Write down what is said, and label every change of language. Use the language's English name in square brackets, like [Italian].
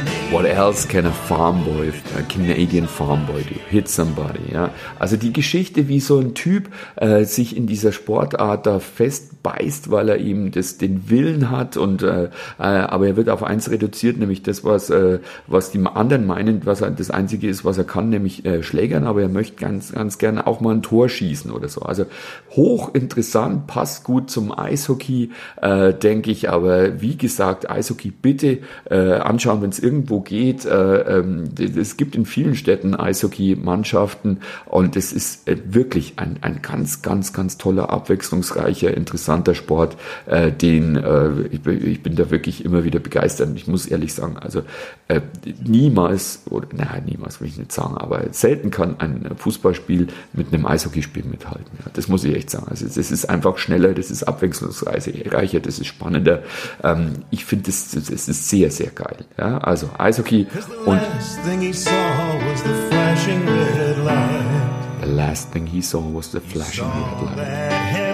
[English] What else can a farm boy, a Canadian farm boy do? Hit somebody, ja. [German] Also die Geschichte, wie so ein Typ sich in dieser Sportart da festbeißt, weil er eben den Willen hat und aber er wird auf eins reduziert, nämlich das, was die anderen meinen, was das Einzige ist, was er kann, nämlich schlägern, aber er möchte ganz, ganz gerne auch mal ein Tor schießen oder so. Also hochinteressant, passt gut zum Eishockey, denke ich, aber wie gesagt, Eishockey bitte anschauen, wenn es irgendwo geht. Es gibt in vielen Städten Eishockey-Mannschaften und es ist wirklich ein ganz, ganz, ganz toller, abwechslungsreicher, interessanter Sport, den ich bin da wirklich immer wieder begeistert. Ich muss ehrlich sagen, also niemals will ich nicht sagen, aber selten kann ein Fußballspiel mit einem Eishockeyspiel mithalten. Ja, das muss ich echt sagen. Also das ist einfach schneller, das ist abwechslungsreicher, das ist spannender. Ich finde, das ist sehr, sehr geil. Ja, also Eishockey. Und [English] the last thing he saw was the flashing red light.